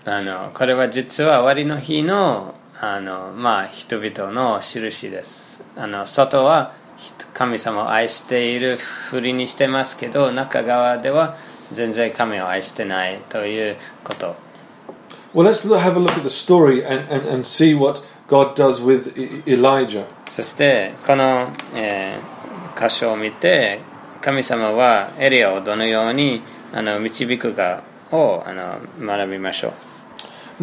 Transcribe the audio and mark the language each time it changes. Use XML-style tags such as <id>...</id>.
<ja>あの、これは実は終わりの日の、あの、まあ、人々の印です。あの、外は神様を愛しているふりにしてますけど、中側では全然神を愛してないということ。</ja> <en>Well, let's have a look at the story and see what God does with Elijah.</en> <ja>そしてこの、箇所を見て、神様はエリアをどのようにあの導くかをあの学びましょう。</ja>